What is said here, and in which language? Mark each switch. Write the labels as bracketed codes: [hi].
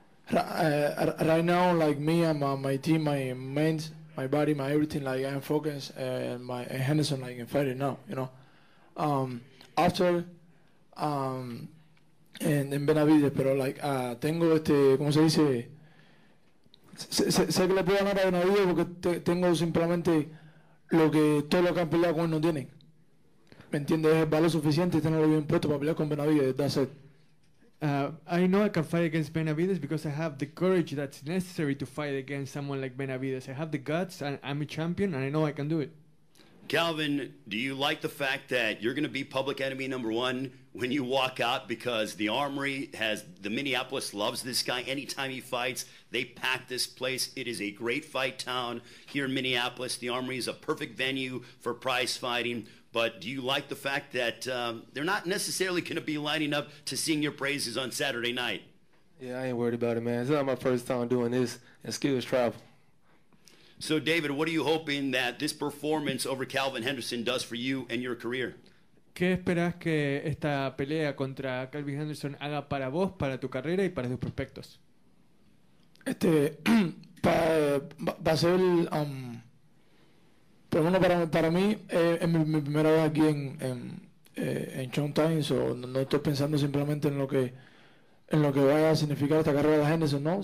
[en] Right now, like me and my team, my mind, my body, my everything, like I'm focused and my Henderson, like in fighting now, you know. [es] After, en Benavidez, pero like, tengo este, ¿cómo se dice? Sé que le puedo ganar a Benavidez porque tengo simplemente lo que todos los que han peleado con él no tienen. ¿Me entiendes? Es el valor suficiente tenerlo bien puesto para pelear con Benavidez, [en] that's it. I know I can fight against Benavidez because I have the courage that's necessary to fight against someone like Benavidez. I have the guts, and I'm a champion, and I know I can do it. Calvin, do you like the fact that you're going to be public enemy number one when you walk out, because the Armory has, the Minneapolis loves this guy. Anytime he fights, they pack this place. It is a great fight town here in Minneapolis. The Armory is a perfect venue for prize fighting. But do you like the fact that they're not necessarily going to be lining up to sing your praises on Saturday night? Yeah, I ain't worried about it, man. It's not my first time doing this. And skills travel. So, David, what are you hoping that this performance over Calvin Henderson does for you and your career? [es] ¿Qué esperas que esta pelea contra Calvin Henderson haga para vos, para tu carrera y para tus prospectos? Este, va a ser... Pero bueno, para mí es mi primera vez aquí en Showtime, so no estoy pensando simplemente en lo que vaya a significar esta carrera de Henderson, ¿no?